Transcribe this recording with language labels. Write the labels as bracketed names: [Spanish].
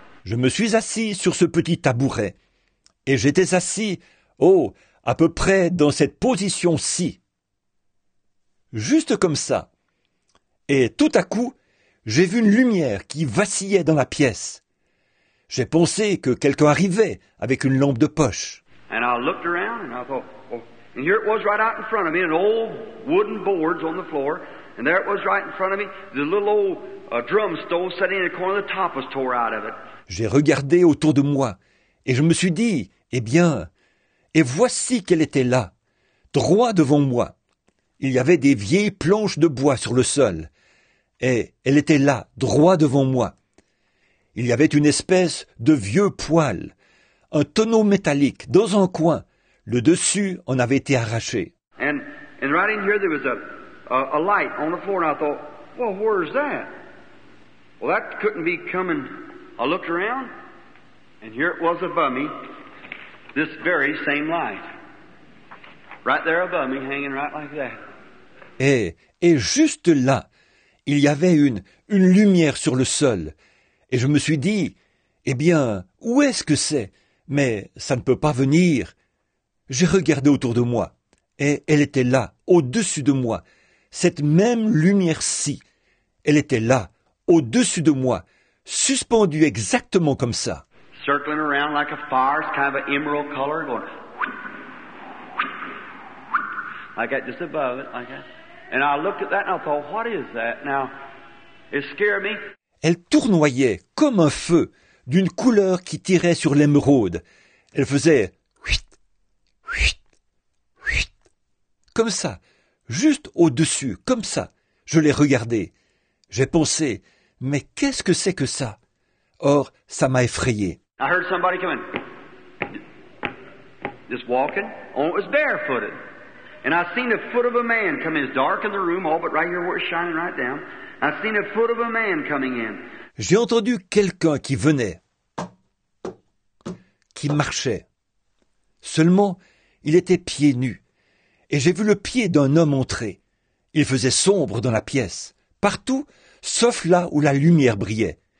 [French] Je me suis assis sur ce petit tabouret et j'étais assis, oh, à peu près dans cette position-ci. Juste comme ça. Et tout à coup, j'ai vu une lumière qui vacillait dans la pièce. J'ai pensé que quelqu'un arrivait avec une lampe de poche. [English] And I looked around and I thought, oh, and here it was right out in front of me, an old wooden boards on the floor. And there it was right in front of me, the little old drum stove sitting in the corner, the top was tore out of it. [French] J'ai regardé autour de moi et je me suis dit, eh bien, et voici qu'elle était là, droit devant moi. Il y avait des vieilles planches de bois sur le sol et elle était là, droit devant moi. Il y avait une espèce de vieux poêle, un tonneau métallique dans un coin. Le dessus en avait été arraché. [English] And right in here there was a light on the floor and I thought, well, where is that? Well, that couldn't be coming. I looked around, and here it was above me, this very same light. Right there above me, hanging right like that. [French] Et juste là, il y avait une lumière sur le sol. Et je me suis dit, eh bien, où est-ce que c'est? Mais ça ne peut pas venir. J'ai regardé autour de moi, et elle était là, au-dessus de moi. Cette même lumière-ci, elle était là, au-dessus de moi, suspendu exactement comme ça. [English] Circling around like a fire, kind of an emerald color, going like that, just above it, like that. And I looked at that and I thought, what is that? Now, it scared me. [French] Elle tournoyait comme un feu d'une couleur qui tirait sur l'émeraude. Elle faisait huit, huit, huit, comme ça, juste au-dessus, comme ça. Je l'ai regardé. J'ai pensé, mais qu'est-ce que c'est que ça? Or, ça m'a effrayé. [English] I heard somebody coming. Just walking. Oh, it was barefooted. And I seen the foot of a man come in. It's dark in the room, all but right here where it's shining right down. I seen the foot of a man coming in. [French] J'ai entendu quelqu'un qui venait, qui marchait. Seulement, il était pieds nus. Et j'ai vu le pied d'un homme entrer. Il faisait sombre dans la pièce. Partout, sauf là où la lumière brillait.